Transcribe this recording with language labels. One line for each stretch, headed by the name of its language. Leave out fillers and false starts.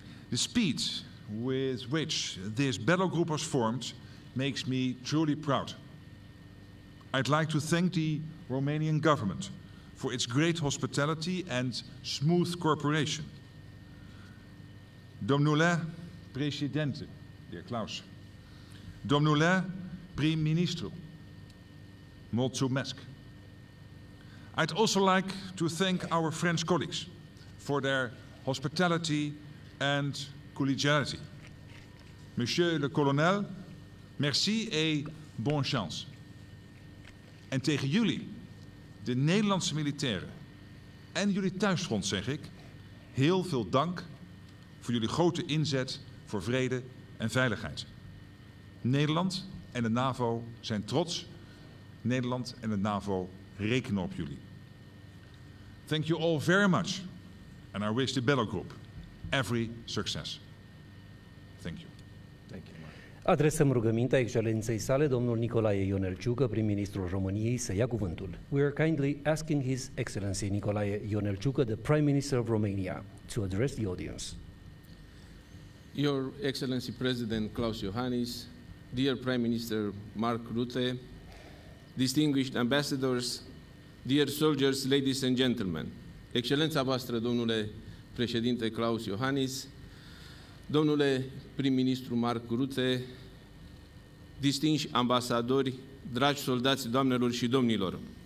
English: The speed with which this battle group was formed makes me truly proud. I'd like to thank the Romanian government for its great hospitality and smooth cooperation.
Romanian: Domnule Președinte, dear Klaus. Domnule Prim-Ministru. Mulțumesc.
English: I'd also like to thank our French colleagues for their hospitality and collegiality.
French: Monsieur le Colonel, merci et bonne chance.
Dutch: En tegen jullie, de Nederlandse militairen en jullie thuisfront, zeg ik, heel veel dank voor jullie grote inzet voor vrede en veiligheid. Nederland en de NAVO zijn trots. Nederland en de NAVO rekenen op jullie.
English: Thank you all very much. And I wish the Battle Group every success. Thank you. Thank you.
Romanian: Adresăm rugămintea excelenței sale, domnul Nicolae Ionel Ciucă, prim-ministrul României, să ia cuvântul.
English: We are kindly asking His Excellency Nicolae Ionel Ciucă, the Prime Minister of Romania, to address the audience. Your Excellency President Klaus Iohannis, dear Prime Minister Mark Rutte, distinguished ambassadors, dear soldiers, ladies and gentlemen,
Romanian: Excelența voastră, domnule președinte Klaus Iohannis, domnule prim-ministru Mark Rutte, distinși ambasadori, dragi soldați, doamnelor și domnilor.